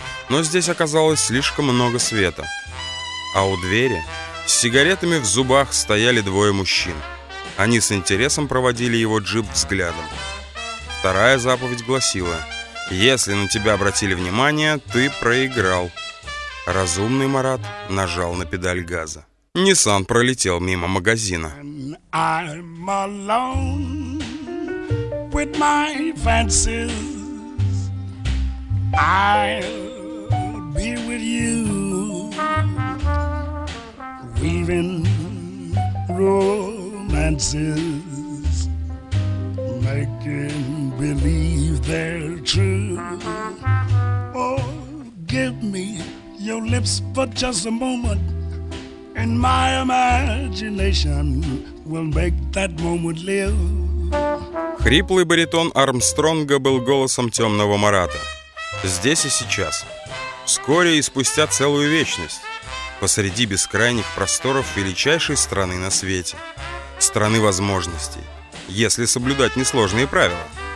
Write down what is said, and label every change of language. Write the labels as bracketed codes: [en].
[ru] Но здесь оказалось слишком много света. А у двери с сигаретами в зубах стояли двое мужчин. Они с интересом проводили его джип взглядом. Вторая заповедь гласила: «Если на тебя обратили внимание, ты проиграл». Разумный Марат нажал на педаль газа. Nissan пролетел мимо магазина. [en] I'm alone with my fancies. I'll be with you, weaving romances, making believe they're true. Oh, give me your lips for just a moment, and my imagination will make that moment live. [ru] Хриплый баритон Армстронга был голосом темного Марата. Здесь и сейчас. Вскоре и спустя целую вечность. Посреди бескрайних просторов величайшей страны на свете. страны возможностей, если соблюдать несложные правила.